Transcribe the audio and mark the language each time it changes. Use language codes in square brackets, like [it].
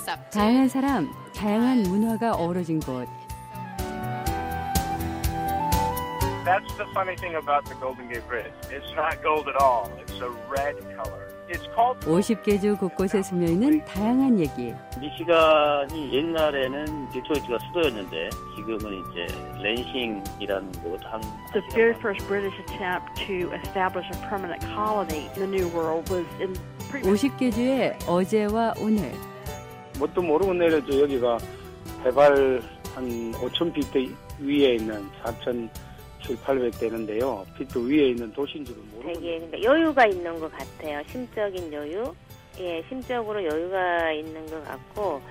[ko] 다양한 사람, 다양한 문화가 어우러진 곳. [en] That's the funny thing about the Golden Gate Bridge. It's not gold at all. It's a red color. It's called. [ko] 50개 주 곳곳에 숨어 있는 다양한 얘기. 미시간이 옛날에는 디트로이트가 수도였는데 지금은 이제 랜싱이라는 곳 한. [en] The very first British attempt to establish a permanent colony in the New World was in. [ko] 50개 주의 어제와 오늘. 뭣도 모르고 내려도 여기가 해발 한 5천 피트 위에 있는 4천. 800대는데요. 피트 위에 있는 도시인 줄은 모르겠는데 여유가 있는 것 같아요. 심적인 여유. 예, 심적으로 여유가 있는 것 같고.